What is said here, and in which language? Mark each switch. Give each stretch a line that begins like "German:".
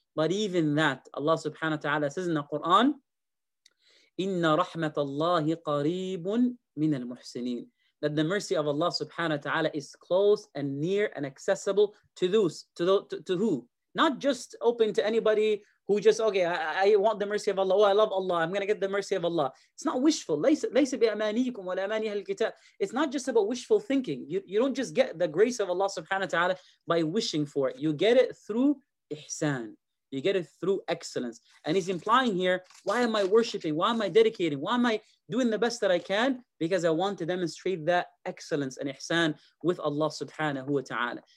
English: But even that, Allah subhanahu wa ta'ala says in the Quran,
Arabic: إِنَّ رَحْمَةَ اللَّهِ قَرِيبٌ مِنَ الْمُحْسِنِينَ.
English: That the mercy of Allah subhanahu wa ta'ala is close and near and accessible to those, to who? Not just open to anybody who just, okay, I want the mercy of Allah. Oh, I love Allah. I'm going to get the mercy of Allah. It's not wishful.
Arabic: ليس بأمانيكم ولا أماني أهل الكتاب.
English: It's not just about wishful thinking. You don't just get the grace of Allah subhanahu wa ta'ala by wishing for it. You get it through ihsan. You get it through excellence. And he's implying here, why am I worshiping? Why am I dedicating? Why am I doing the best that I can? Because I want to demonstrate that excellence and ihsan with Allah subhanahu wa ta'ala.